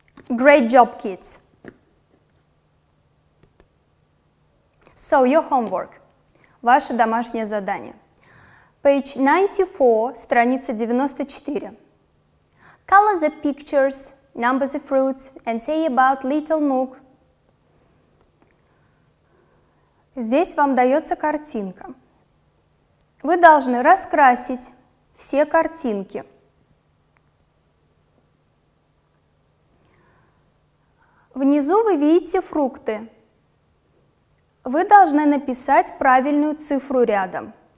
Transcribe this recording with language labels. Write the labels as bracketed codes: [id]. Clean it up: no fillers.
[en] Great job, kids! So, your homework. [ru] Ваше домашнее задание. [en] Page 94, [ru] страница 94. [en] Color the pictures, number the fruits, and say about little Mook. [ru] Здесь вам дается картинка. Вы должны раскрасить все картинки. Внизу вы видите фрукты. Вы должны написать правильную цифру рядом.